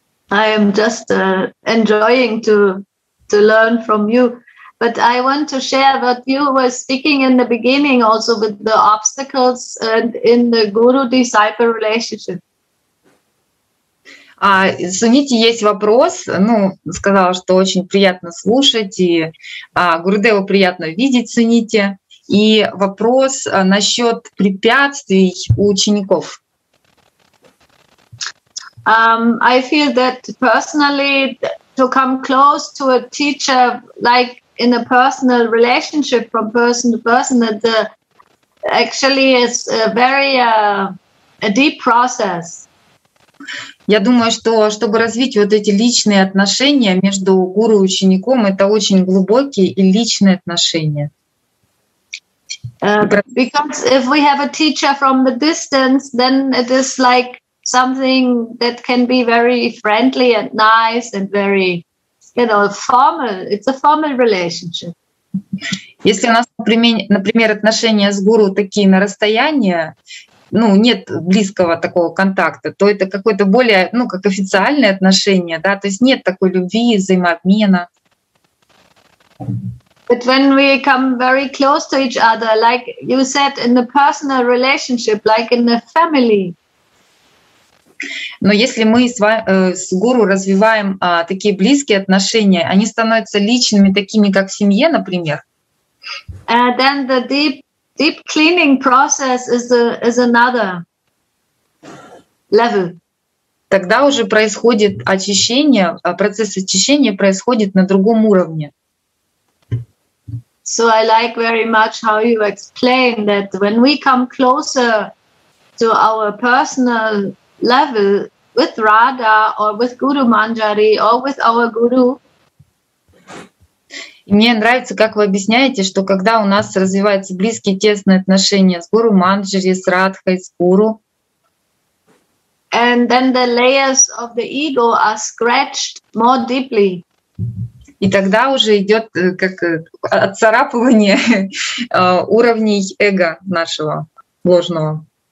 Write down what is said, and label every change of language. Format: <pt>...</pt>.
<en>I am just enjoying to learn from you. But I want to share what you were speaking in the beginning also with the obstacles and in the guru-disciple relationship.</en> <ru>Суните, есть вопрос. Ну, сказала, что очень приятно слушать, и Гурудеву приятно видеть, Суните. И вопрос насчет препятствий у учеников.</ru> <en>I feel that personally to come close to a teacher, like in a personal relationship from person to person, that actually is a very a deep process.</en> <ru>Я думаю, что чтобы развить вот эти личные отношения между гуру и учеником, это очень глубокие и личные отношения.</ru> <en>Because if we have a teacher from the distance, then it is like something that can be very friendly and nice and very, you know, formal. It's a formal relationship.</en> <ru>Если у нас, например, отношения с гуру такие на расстоянии, ну, нет близкого такого контакта, то это какое-то более, ну, как официальное отношение, да, то есть нет такой любви, взаимообмена.</ru> <en>But when we come very close to each other, like you said, in a personal relationship, like in a family.</en> <ru>Но если мы с гуру развиваем такие близкие отношения, они становятся личными, такими как в семье, например.</ru> <en>And then the deep cleaning process is another level.</en> <ru>Тогда уже происходит очищение, процесс очищения происходит на другом уровне.</ru> <en>So I like very much how you explain that when we come closer to our personal level with Radha or with Guru Manjari or with our Guru.</en> <ru>Мне нравится, как вы объясняете, что когда у нас развиваются близкие тесные отношения с Гуру Манджари, с Радхой, с Гуру.</ru> <en>And then the layers of the ego are scratched more deeply.</en> <ru>И тогда уже идет как отцарапывание уровней эго нашего ложного.</ru>